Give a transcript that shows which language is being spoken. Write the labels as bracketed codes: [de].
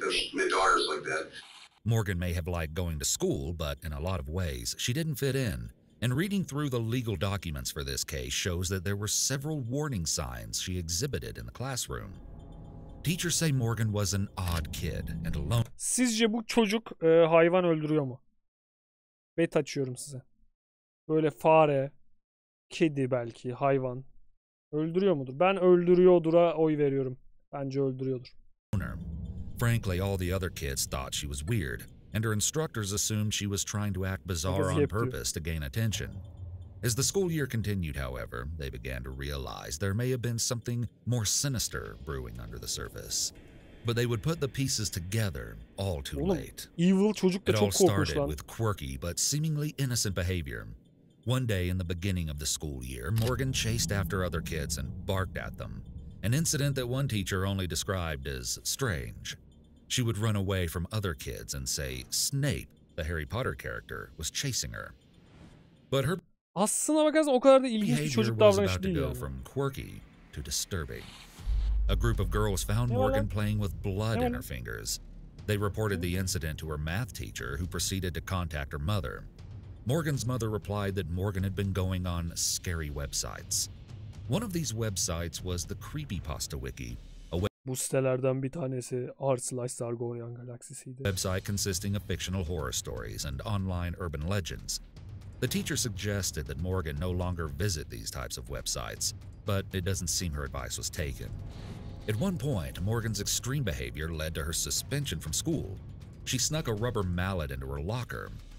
[en] That's, my daughter's like that. Morgan may have liked going to school, but in a lot of ways, she didn't fit in. And reading through the legal documents for this case shows that there were several warning signs she exhibited in the classroom. Teachers say Morgan was an odd kid and alone. [tr] Sizce bu çocuk hayvan öldürüyor mu? Bet açıyorum size. Böyle fare, kedi belki, hayvan. Öldürüyor mudur? Ben öldürüyordur'a oy veriyorum. Bence öldürüyordur. [en] Frankly, all the other kids thought she was weird, and her instructors assumed she was trying to act bizarre on purpose to gain attention. As the school year continued, however, they began to realize there may have been something more sinister brewing under the surface. But they would put the pieces together all too late. [tr] Evil çocuk da çok korkmuş lan. [en] It all started with quirky but seemingly innocent behavior. One day in the beginning of the school year, Morgan chased after other kids and barked at them, an incident that one teacher only described as strange. She would run away from other kids and say Snape, the Harry Potter character, was chasing her. But her [tr] aslına bakarsan o kadar da ilginç bir çocuk davranışı değil. [en] Behavior was about to go from quirky to disturbing. A group of girls found Morgan playing with blood in her fingers. They reported the incident to her math teacher, who proceeded to contact her mother. Morgan's mother replied that Morgan had been going on scary websites. One of these websites was the Creepypasta Wiki. [tr] Bu sitelerden bir tanesi r/Sargonyan Galaxy'siydi. [en] Website consisting of fictional horror stories and online urban legends. The teacher suggested that Morgan no longer visit these types of websites, but it doesn't seem her advice was taken. At one point, Morgan's extreme behavior led to her suspension from school. She snuck a rubber mallet into her locker.